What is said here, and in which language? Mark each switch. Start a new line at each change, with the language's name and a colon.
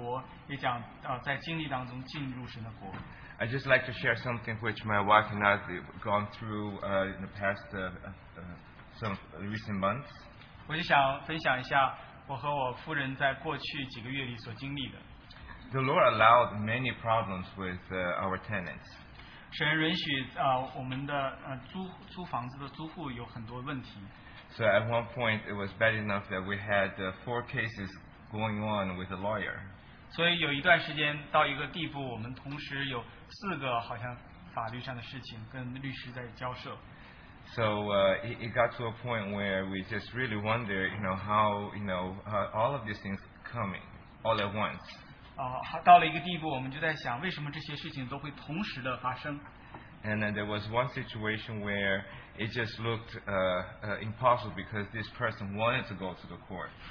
Chinese: 最近在我们当中我们也在分享神的国，也讲在经历当中进入神的国。
English: I'd just like to share something which my wife and I have gone through in the past some recent months.
Chinese: 我就想分享一下我和我夫人在过去几个月里所经历的。
English: The Lord allowed many problems with our tenants.
Chinese: 神允许, 我们的, 租房子的租户有很多问题。
English: So at one point, it was bad enough that we had four cases going on with a lawyer.
Chinese: 所以有一段时间到一个地步，我们同时有四个好像法律上的事情跟律师在交涉。
English: So it got to a point where we just really wonder, you know, how, you know, all of these things coming all at once.
Chinese: 到了一个地步, 我们就在想,
English: and then there was one situation where it just looked impossible because this person wanted to go to the court.